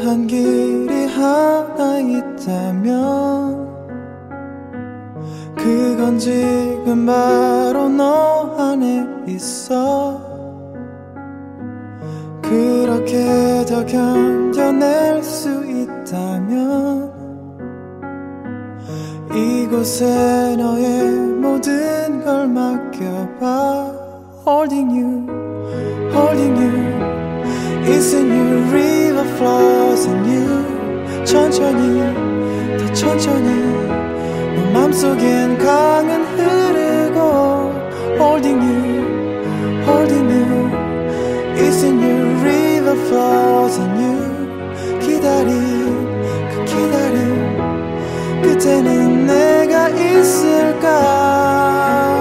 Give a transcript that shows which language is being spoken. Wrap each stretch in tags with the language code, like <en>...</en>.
<ko>일이 하나 있다면 그건 지금 바로 너 안에 있어. 그렇게 더 견뎌낼 수 있다면 이곳에 너의 모든 걸 맡겨봐.</ko> <en>Holding you, holding you, it's a new river flows in you.</en> <ko>천천히, 더 천천히 내 맘속엔 강은 흐르고.</ko> <en>Holding you, holding you, it's a new river flows in you.</en> <ko>기다림, 그 기다림 끝에는 내가 있을까.</ko>